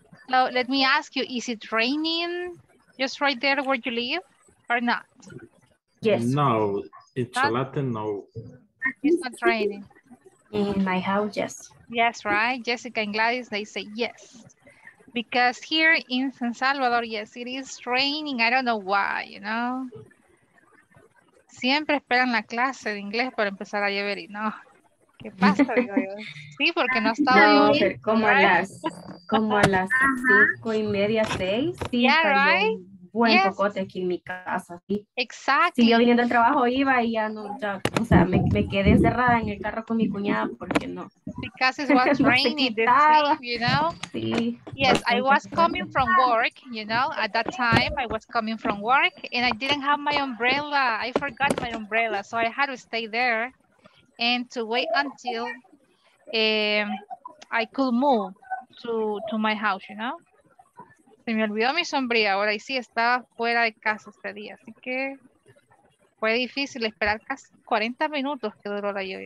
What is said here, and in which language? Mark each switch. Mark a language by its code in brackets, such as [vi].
[en] So let me ask you, is it raining just right there where you live or not? Yes. No, in Chalate, no. It's not raining. In my house, yes. Yes, right? Jessica and Gladys, they say yes. Because here in San Salvador, yes, it is raining. I don't know why, you know? [es] Siempre esperan la clase de inglés para empezar a llevar y no. ¿Qué pasa? Digo yo. Sí, porque no estaba... No, como a las 5:30, 6. Sí, [en] yeah, right? [es] Buen [en] yes. [es] Cocote aquí en mi casa. Sí. Exacto. Sí, yo viniendo al trabajo iba y ya no, ya, o sea, me quedé encerrada en el carro con mi cuñada porque no. [en] Because it was raining this week, you know? [es] Sí. [en] Yes, I was coming from work, you know, at that time I was coming from work and I didn't have my umbrella. I forgot my umbrella, so I had to stay there and to wait until I could move to my house, you know? [es] Se me olvidó mi sombrilla ahora y sí, estaba fuera de casa este día, así que fue difícil esperar casi 40 minutos que duró la lluvia.